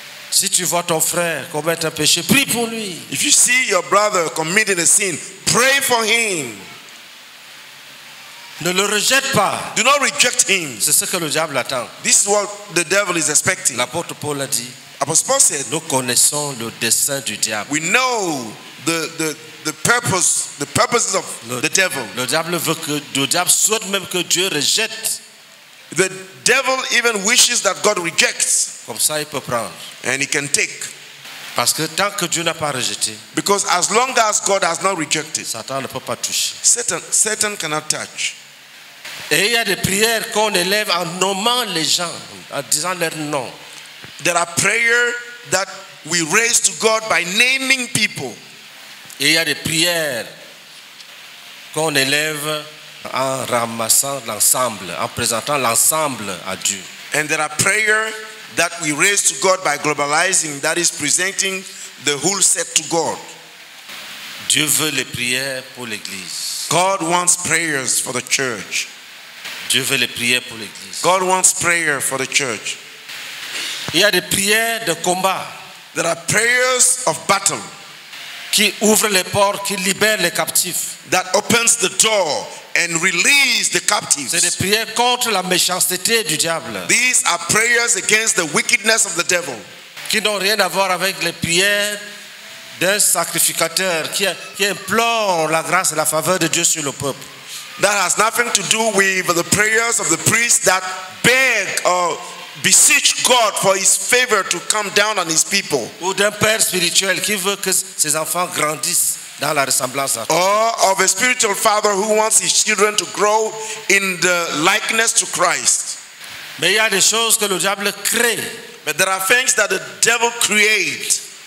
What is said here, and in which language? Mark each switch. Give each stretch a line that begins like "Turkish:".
French: Si tu vois ton frère commettre un péché, prie pour lui.
English: If you see your brother committing a sin, pray for him.
French: Ne le rejette pas.
English: Do not reject him.
French: C'est ce que le diable attend.
English: This is what the devil is expecting.
French: L'apôtre Paul a dit.
English: Apostle Paul said,
French: nous connaissons le dessein du diable.
English: We know the purposes of the devil.
French: Le diable veut que le diable souhaite même que Dieu rejette.
English: The devil even wishes that God rejects.
French: Comme ça, il peut prendre.
English: And he can take.
French: Parce que tant que Dieu n'a pas rejeté,
English: because as long as God has not rejected,
French: Satan ne peut pas toucher.
English: Satan cannot touch.
French: Et il y a des prières qu'on élève en nommant les gens, en disant leur nom.
English: There are prayers that we raise to God by naming people.
French: Et il y a des prières qu'on élève en ramassant l'ensemble, en présentant l'ensemble à Dieu.
English: And there are prayers that we raise to God by globalizing, that is presenting the whole set to God.
French: Dieu veut les prières pour l'église.
English: God wants prayers for the church.
French: Dieu veut les prières pour l'église.
English: God wants prayer for the church.
French: Il y a des prières de combat.
English: There are prayers of battle.
French: Qui ouvrent les portes, qui libèrent les captifs.
English: That opens the door and release the captives.
French: C'est des prières contre la méchanceté du diable.
English: These are prayers against the wickedness of the devil.
French: Qui n'ont rien à voir avec les prières d'un sacrificateur qui implore la grâce et la faveur de Dieu sur le peuple.
English: That has nothing to do with the prayers of the priest that beg or beseech God for his favor to come down on his people.
French: Ou d'un père spirituel qui veut que ses enfants grandissent dans la ressemblance à toi.
English: Or of a spiritual father who wants his children to grow in the likeness to Christ.
French: Mais il y a des choses que le diable crée.
English: But there are things that the devil creates.